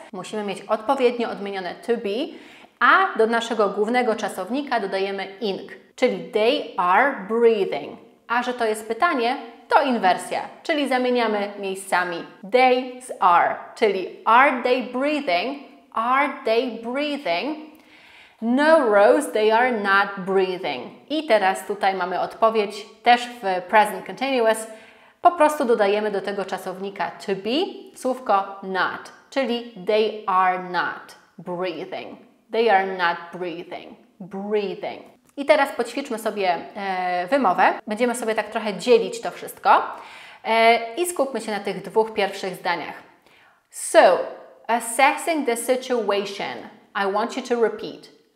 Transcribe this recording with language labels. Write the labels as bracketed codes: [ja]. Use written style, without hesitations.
[pl] Musimy mieć odpowiednio odmienione to be, a do naszego głównego czasownika dodajemy ing, czyli [en] they are breathing. [pl] A że to jest pytanie, to inwersja, czyli zamieniamy miejscami they z are, czyli [en] are they breathing? Are they breathing? No, Rose, they are not breathing. [pl] I teraz tutaj mamy odpowiedź też w present continuous. Po prostu dodajemy do tego czasownika to be słówko not, czyli [en] they are not breathing. They are not breathing. Breathing. [pl] I teraz poćwiczmy sobie wymowę. Będziemy sobie tak trochę dzielić to wszystko. I skupmy się na tych dwóch pierwszych zdaniach. [en] So, assessing the situation. I want you to repeat.